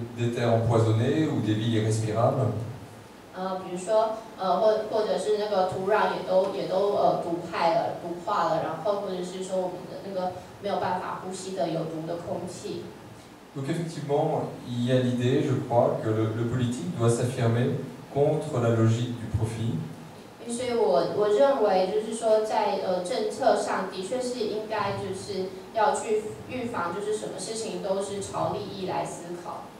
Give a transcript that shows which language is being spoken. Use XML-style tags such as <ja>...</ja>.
<fr>Des terres empoisonnées ou des villes irrespirables。</fr> <zh>比如说或者是那个土壤也都毒害了、毒化了，然后或者是说我们的那个没有办法呼吸的有毒的空气。</zh> <fr>Donc effectivement, il y a l'idée, je crois, que le politique doit s'affirmer contre la logique du profit.</fr> <zh>所以我认为就是说在政策上的确是应该就是要去预防，就是什么事情都是朝利益来思考。</zh>